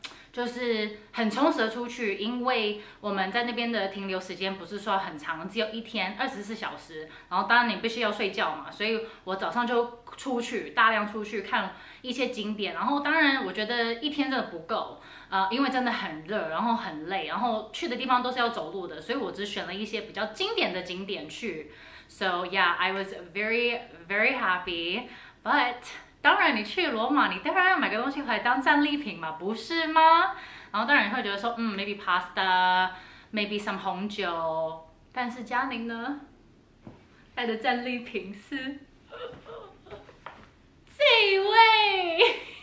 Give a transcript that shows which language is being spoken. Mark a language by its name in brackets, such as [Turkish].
[Chinese] 就是很充实的出去，因为我们在那边的停留时间不是说很长，只有一天24小时，然后当然你必须要睡觉嘛，所以我早上就出去大量出去看一些景点，然后当然我觉得一天真的不够，因为真的很热，然后很累，然后去的地方都是要走路的，所以我只选了一些比较经典的景点去。 [English] So yeah, I was very very happy. [Chinese] But当然你去罗马你当然要买个东西回来当战利品嘛，不是吗？然后当然你会觉得说 [English] maybe pasta， maybe some [Chinese] 红酒，但是佳宁呢带的战利品是这位。